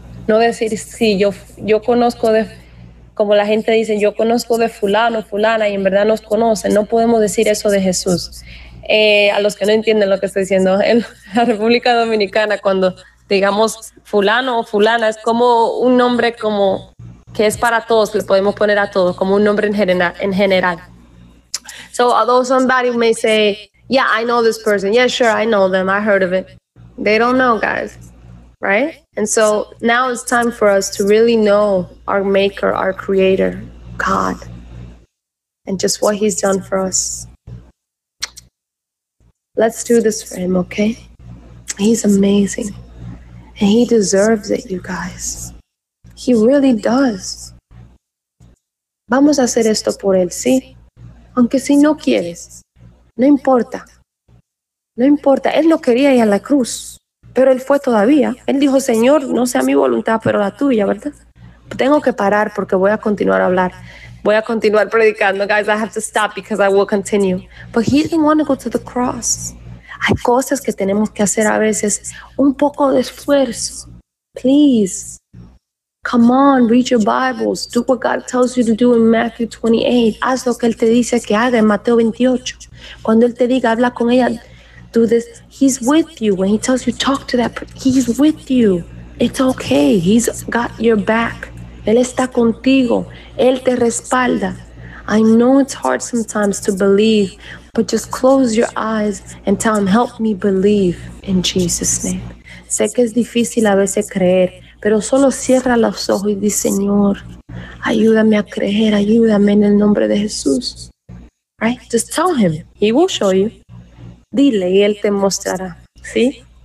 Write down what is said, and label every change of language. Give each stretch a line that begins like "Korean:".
Spanish: No decir sí, yo conozco de, como la gente dice, yo conozco de fulano, fulana, y en verdad nos conocen. No podemos decir eso de Jesús. A los que no entienden lo que estoy diciendo, en la República Dominicana, cuando digamos fulano o fulana, es como un nombre como que es para todos, le podemos poner a todos, como un nombre en general.
English: So, although somebody may say, yeah, I know this person. Yeah, sure, I know them. I heard of it. They don't know, guys. Right? And so now it's time for us to really know our maker, our creator, God, and just what he's done for us. Let's do this for him, okay? He's amazing. And he deserves it, you guys. He really does.
Spanish: Vamos a hacer esto por él, ¿sí? Aunque si no quieres, no importa. No importa. Él no quería ir a la cruz, pero él fue todavía. Él dijo, Señor, no sea mi voluntad, pero la tuya, ¿verdad? Tengo que parar porque voy a continuar a hablar. Voy a continuar predicando.
English: Guys, I have to stop because I will continue. But he didn't want to go to the cross.
Spanish: Hay cosas que tenemos que hacer a veces. Un poco de esfuerzo.
English: Please. Come on, read your Bibles. Do what God tells you to do in Matthew 28.
Spanish: Haz lo que Él te dice que haga en Mateo 28. Cuando Él te diga, habla con ella,
English: do this. He's with you. When He tells you, talk to that person, He's with you. It's okay. He's got your back.
Spanish: Él está contigo. Él te respalda.
English: I know it's hard sometimes to believe, but just close your eyes and tell Him, help me believe in Jesus' name.
Spanish: Sé que es difícil a veces creer, pero solo cierra los ojos y di, Señor, ayúdame a creer, ayúdame en el nombre de Jesús.
English: Right? Just tell him. He will show you.
Spanish: Dile y él te mostrará. ¿Sí?